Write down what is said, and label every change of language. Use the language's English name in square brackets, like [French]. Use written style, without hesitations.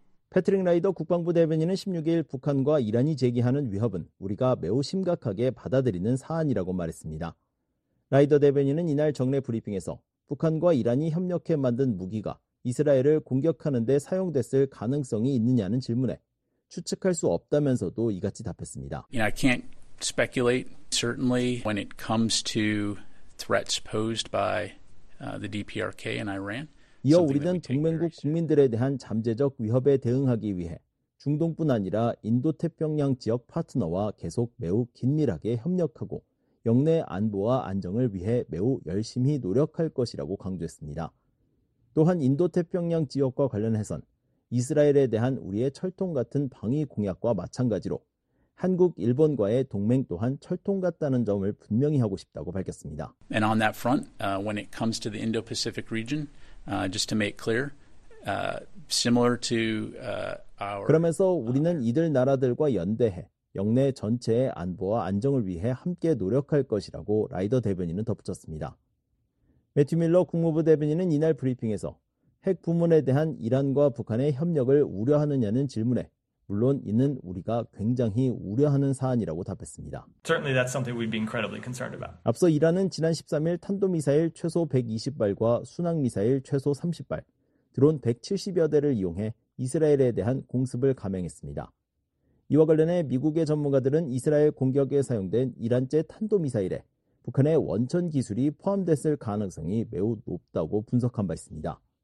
[Korean] 패트릭 라이더 국방부 대변인은 16일 북한과 이란이 제기하는 위협은 우리가 매우 심각하게 받아들이는 사안이라고 말했습니다. 라이더 대변인은 이날 정례 브리핑에서 북한과 이란이 협력해 만든 무기가 이스라엘을 공격하는 데 사용됐을 가능성이 있느냐는 질문에 추측할 수 없다면서도 이같이 답했습니다. [English] You know, I can't speculate. Certainly when it comes to threats posed by the DPRK and Iran. [Korean] 이어 우리는 동맹국 국민들에 대한 잠재적 위협에 대응하기 위해 중동뿐 아니라 인도-태평양 지역 파트너와 계속 매우 긴밀하게 협력하고 영내 안보와 안정을 위해 매우 열심히 노력할 것이라고 강조했습니다. 또한 인도-태평양 지역과 관련해선 이스라엘에 대한 우리의 철통 같은 방위 공약과 마찬가지로 한국, 일본과의 동맹 또한 철통 같다는 점을 분명히 하고 싶다고 밝혔습니다. [English] And on that front, when it comes to the Indo-Pacific region, just to make clear, similar to our [Korean] 그러면서 우리는 이들 나라들과 연대해 영내 전체의 안보와 안정을 위해 함께 노력할 것이라고 라이더 대변인은 덧붙였습니다. 매튜 밀러 국무부 대변인은 이날 브리핑에서 핵 부문에 대한 이란과 북한의 협력을 우려하느냐는 질문에 물론 이는 우리가 굉장히 우려하는 사안이라고 답했습니다. [English] Certainly that's something we've been incredibly concerned about. [Korean] 앞서 이란은 지난 13일 탄도미사일 최소 120발과 순항미사일 최소 30발, 드론 170여 대를 이용해 이스라엘에 대한 공습을 감행했습니다. 이와 관련해 미국의 전문가들은 이스라엘 공격에 사용된 이란제 탄도미사일에 북한의 원천 기술이 포함됐을 가능성이 매우 높다고 분석한 바 있습니다.